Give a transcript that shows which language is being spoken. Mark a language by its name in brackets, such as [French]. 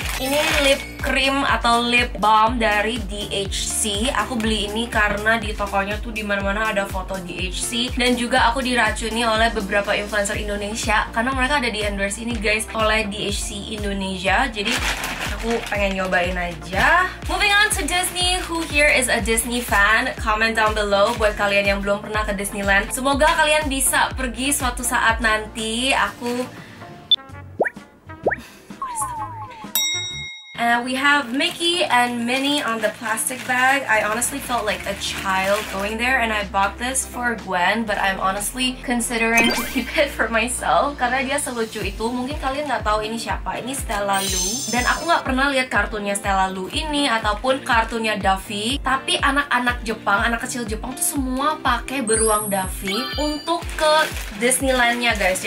[Indonesian] Ini lip cream atau lip balm dari DHC. Aku beli ini karena di tokonya tuh dimana-mana ada foto DHC. Dan juga aku diracuni oleh beberapa influencer Indonesia karena mereka ada di endorse ini guys oleh DHC Indonesia. Jadi aku pengen nyobain aja. [English] Moving on to Disney, who here is a Disney fan? Comment down below [Indonesian] buat kalian yang belum pernah ke Disneyland. Semoga kalian bisa pergi suatu saat nanti. Aku... [English] we have Mickey and Minnie on the plastic bag. I honestly felt like a child going there and I bought this for Gwen, but I'm honestly considering to keep it for myself. [Indonesian] Karena dia selucu itu, mungkin kalian gak tahu ini siapa, ini Stella Lou. Dan aku gak pernah lihat kartunya Stella Lou ini ataupun kartunya Daffy. Tapi anak-anak Jepang, anak kecil Jepang tuh semua pakai beruang Daffy untuk ke Disneyland-nya guys.